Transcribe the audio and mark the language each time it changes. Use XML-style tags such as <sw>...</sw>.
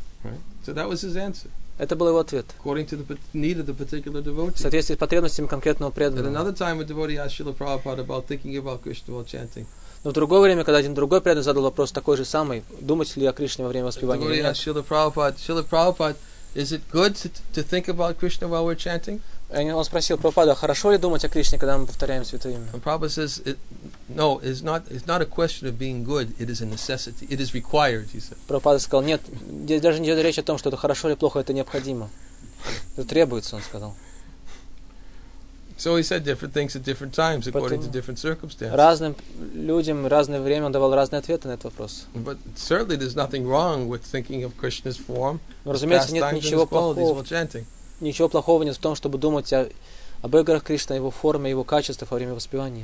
<en>Right. So that was his answer.</en> <ru>Это был его ответ.</ru> <en>According to the need of the particular devotee.</en> <ru>В соответствии с потребностями конкретного преданного.</ru> <en>At another time, a devotee asked Srila Prabhupada about thinking about Krishna while chanting.</en> <ru>Но в другое время, когда один другой преданный задал вопрос такой же самый, думать ли о Кришне во время воспевания?</ru> <en>The devotee asked Srila Prabhupada, Srila Prabhupada, is it good to think about Krishna while we're chanting?</en> <ru>Он спросил Прабхупаду, хорошо ли думать о Кришне, когда мы повторяем святое имя?</ru> <en>And Prabhupada says, it's not a question of being good, it is a necessity, it is required, he said.</en> <ru>Прабхупада сказал, нет, даже не идет речь о том, что это хорошо или плохо, это необходимо. Это требуется, он сказал.</ru> <en>So he said different things at different times, according to different circumstances.</en> <ru>Разным людям разное время он давал разные ответы на этот вопрос.</ru> <en>But certainly there's nothing wrong with thinking of Krishna's form.</en> <ru>Разумеется, нет ничего плохого. Ничего плохого нет в том, чтобы думать об играх Кришны, его форме, его качестве во время воспевания.</ru>